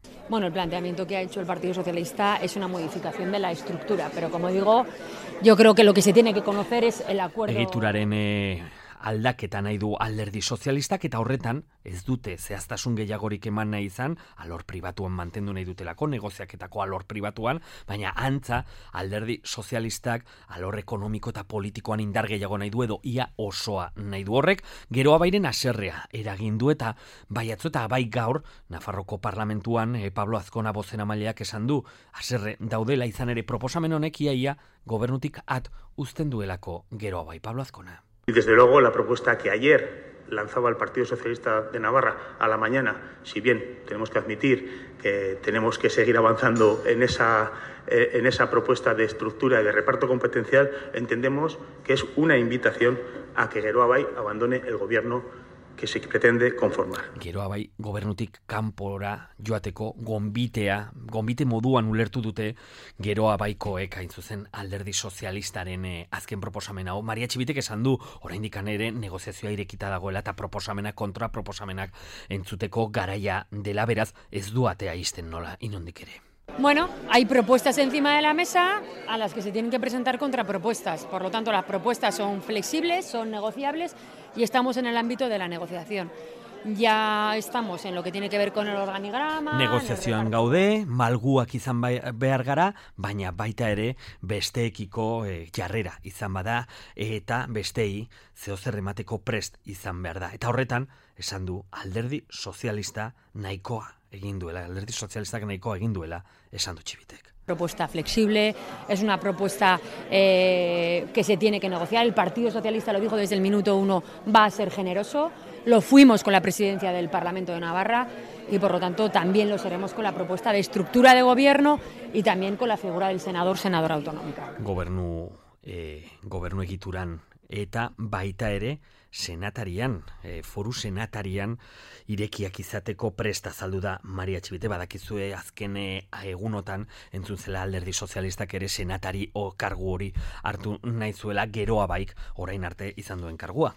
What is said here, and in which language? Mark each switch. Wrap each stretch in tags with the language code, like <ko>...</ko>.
<es>Bueno, el planteamiento que ha hecho el Partido Socialista es una modificación de la estructura, pero como digo, yo creo que lo que se tiene que conocer es el acuerdo.</es> <eu>Egituraren aldaketa nahi du Alderdi Sozialistak eta horretan ez dute zehaztasun gehiagorik eman nahi izan, alor pribatuan mantendu nahi dutelako, negoziaketako alor pribatuan, baina antza Alderdi Sozialistak alor ekonomiko eta politikoan indar gehiago nahi du edo ia osoa nahi du horrek, geroa bairen haserrea eragin du eta bai atzu eta bai gaur, Nafarroko parlamentuan Pablo Azkona bozeramaileak esan du, haserre daudela izan ere proposamen honek ia gobernutik at uzten duelako geroa bai Pablo Azkona.</eu> <es>Y desde luego la propuesta que ayer lanzaba el Partido Socialista de Navarra a la mañana, si bien tenemos que admitir que tenemos que seguir avanzando en esa propuesta de estructura y de reparto competencial, entendemos que es una invitación a que Geroa Bai abandone el gobierno que se pretende conformar.</es> <eu>Geroa Bai gobernutik kanpora joateko gonbitea, gonbite moduan ulertu dute Geroa Baikoek hain zuzen Alderdi Sozialistaren azken proposamen hau. Maria Txibitek esan du, oraindik ere negoziazioa irekita dagoela eta proposamenak kontra proposamenak entzuteko garaia dela, beraz ez du atea izten nola inondik ere.</eu> <es>Bueno, hay propuestas encima de la mesa a las que se tienen que presentar contrapropuestas. Por lo tanto, las propuestas son flexibles, son negociables y estamos en el ámbito de la negociación. Ya estamos en lo que tiene que ver con el organigrama.</es> <eu>Negoziazioan gaude, malguak izan behar gara, baina baita ere besteekiko jarrera izan bada eta bestei zeozer emateko prest izan behar da. Eta horretan, esan du Alderdi Sozialista nahikoa egin duela, alderdi sozialistak nahikoa egin duela, esan du Txibitek.</eu> <es>Propuesta flexible, es una propuesta que se tiene que negociar. El Partido Socialista lo dijo desde el minuto uno, va a ser generoso. Lo fuimos con la presidencia del Parlamento de Navarra y por lo tanto también lo seremos con la propuesta de estructura de gobierno y también con la figura del senador, senadora autonómica.</es> <eu>Gobernu egituran eta baita ere senatarian, foru senatarian irekiak izateko presta azaldu da Maria Txibite. Badakizue azken egunotan entzun zela alderdi sozialistak ere senatari o kargu hori hartu nahi zuela geroa baik orain arte izan duen kargua.</eu>